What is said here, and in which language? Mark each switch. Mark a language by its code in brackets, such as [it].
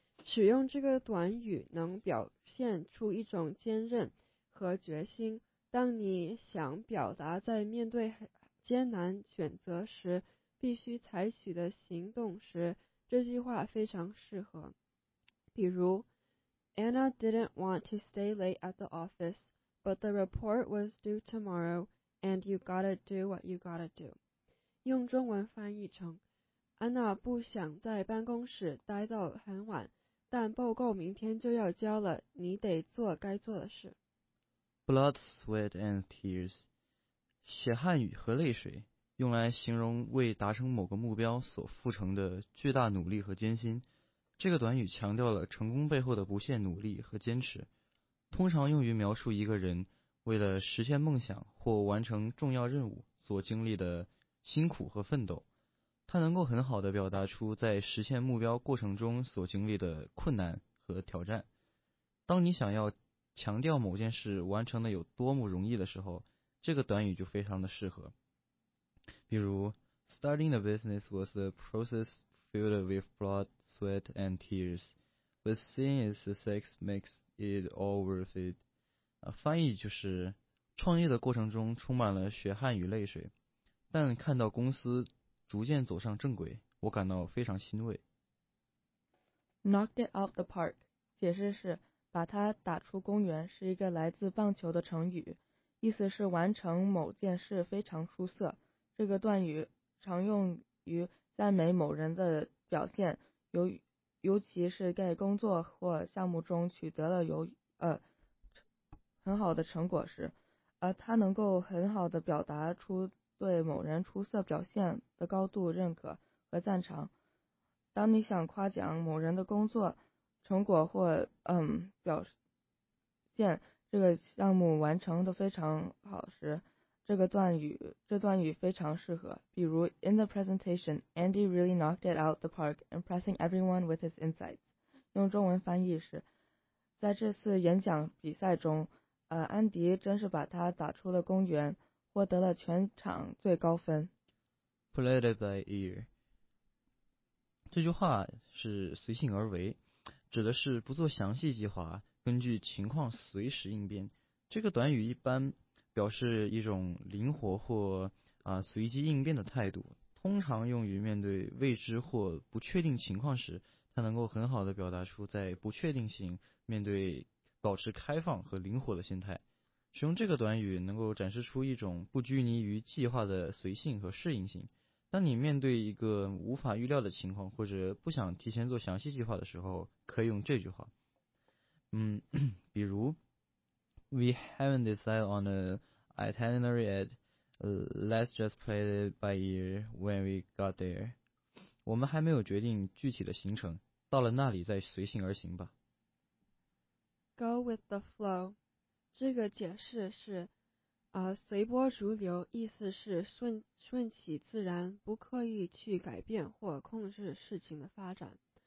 [zh] 使用这个短语能表现出一种坚韧和决心。当你想表达在面对艰难选择时必须采取的行动时，这句话非常适合。比如 [en] Anna didn't want to stay late at the office, but the report was due tomorrow, and you gotta do what you gotta do. [zh] 用中文翻译成安娜不想在办公室待到很晚，但报告明天就要交了，你得做该做的事。 [en] Blood, sweat and tears， [zh] 血汗雨和泪水，用来形容为达成某个目标所付出的巨大努力和艰辛。这个短语强调了成功背后的不懈努力和坚持，通常用于描述一个人为了实现梦想或完成重要任务所经历的辛苦和奋斗。它能够很好地表达出在实现目标过程中所经历的困难和挑战。当你想要强调某件事完成的有多么容易的时候，这个短语就非常的适合。比如 [en] Starting the business was a process filled with blood, sweat and tears, but seeing its success makes it all worth it. [zh] 翻译就是创业的过程中充满了血汗与泪水，但看到公司逐渐走上正轨，我感到非常欣慰。 [en] Knocked it out the park， [zh] 解释是把它打出公园，是一个来自棒球的成语，意思是完成某件事非常出色。这个段语常用于赞美某人的表现，尤其是在工作或项目中取得了很好的成果时，它能够很好的表达出对某人出色表现的高度认可和赞赏。当你想夸奖某人的工作成果或表现这个项目完成的非常好时，这段语非常适合。比如 [en] In the presentation, Andy really knocked it out the park, impressing everyone with his insights. [zh] 用中文翻译是在这次演讲比赛中安迪真是把他打出了公园，获得了全场最高分。 [en] Play it by ear， [zh] 这句话是随性而为，指的是不做详细计划，根据情况随时应变。这个短语一般表示一种灵活或随机应变的态度，通常用于面对未知或不确定情况时，它能够很好地表达出在不确定性面对保持开放和灵活的心态。使用这个短语能够展示出一种不拘泥于计划的随性和适应性。当你面对一个无法预料的情况或者不想提前做详细计划的时候，可以用这句话。比如 [en] We haven't decided on an itinerary yet. Let's just play it by ear when we got there. [zh] 我们还没有决定具体的行程，到了那里再随性而行吧。 [en] Go with the flow， [zh] 这个解释是随波逐流，意思是顺其自然，不刻意去改变或控制事情的发展。